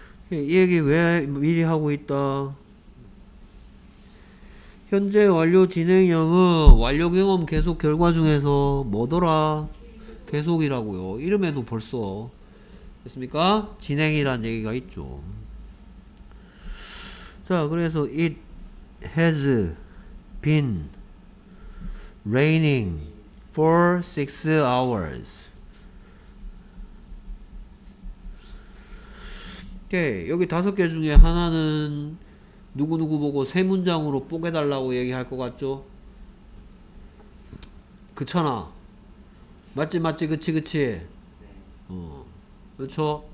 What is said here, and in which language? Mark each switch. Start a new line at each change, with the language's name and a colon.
Korean: 이 얘기 왜 미리 하고 있다? 현재 완료 진행형은 완료 경험 계속 결과 중에서 뭐더라? 계속이라고요. 이름에도 벌써 됐습니까? 진행이란 얘기가 있죠. 자, 그래서
English: it has been raining for 6 hours.
Korean: 오케이. 여기 다섯 개 중에 하나는 누구누구 보고 세 문장으로 뽀개달라고 얘기할 것 같죠? 그쳐나? 맞지 그치 네. 어. 그쵸?